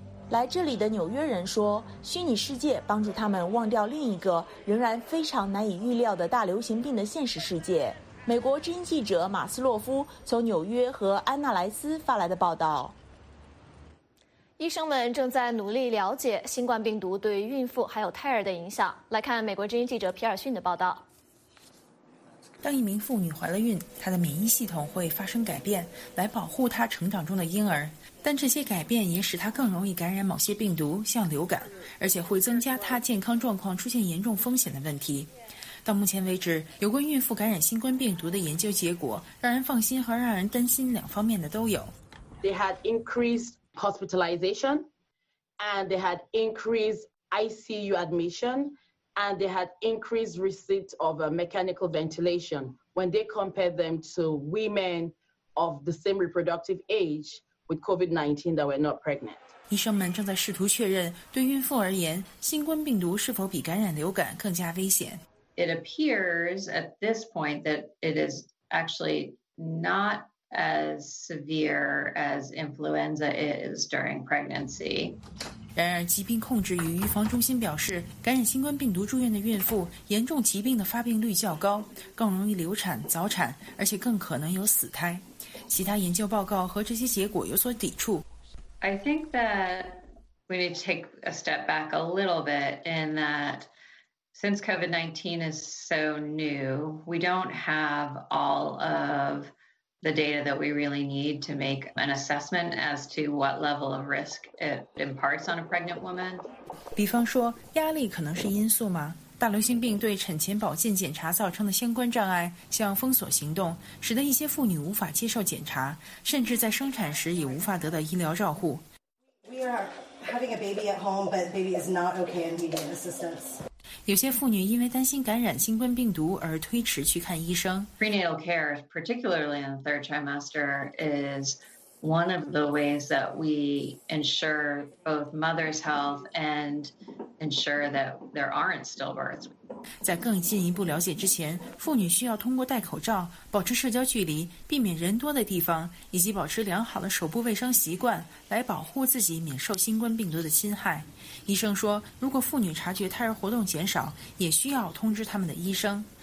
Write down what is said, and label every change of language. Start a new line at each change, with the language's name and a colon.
Chinese: 来这里的纽约人说，虚拟世界帮助他们忘掉另一个仍然非常难以预料的大流行病的现实世界。美国之音记者马斯洛夫从纽约和安纳莱斯发来的报道。医生们正在努力了解新冠病毒对孕妇还有胎儿的影响。来看美国之音记者皮尔逊的报道。当一名妇女怀了孕，她的免疫系统会发生改变，来保护她成长中的婴儿。但这些改变也使他更容易感染某些病毒，像流感，而且会增加他健康状况出现严重风险的问题。到目前为止，有关孕妇感染新冠病毒的研究结果，让人放心和让人担心两方面的都有。
English: They had increased hospitalization, and they had increased ICU admission, and they had increased receipt of a mechanical ventilation when they compared them to women of the same reproductive age. With COVID-19 that were not pregnant.
Chinese: 医生们正在试图确认，对孕妇而言，新冠病毒是否比感染流感更加危险。
English: It appears at this point that it is actually not as severe as influenza is during pregnancy.
Chinese: 然而，疾病控制与预防中心表示，感染新冠病毒住院的孕妇，严重疾病的发病率较高，更容易流产、早产，而且更可能有死胎。其他研究报告和这些结果有所抵触。
English: I think that we need to take a step back a little bit in that since COVID-19 is so new, we don't have all of the data that we really need to make an assessment as to what level of risk it imparts on a pregnant woman.
Chinese: 比方说，压力可能是因素吗？大流行病对产前保健检查造成的相关障碍，像封锁行动，使得一些妇女无法接受检查，甚至在生产时也无法得到医疗照护。
English: We are having a baby at home, but baby is not okay and needing assistance.
Chinese: 有些妇女因为担心感染新冠病毒而推迟去看医生。
English: Prenatal care, particularly in the third trimester, is one of the ways that we ensure both mother's health and ensure that there aren't stillbirths.
Chinese: 在更进一步了解之前，妇女需要通过戴口罩、保持社交距离、避免人多的地方，以及保持良好的手部卫生习惯，来保护自己免受新冠病毒的侵害。医生说，如果妇女察觉胎儿活动减少，也需要通知他们的医生。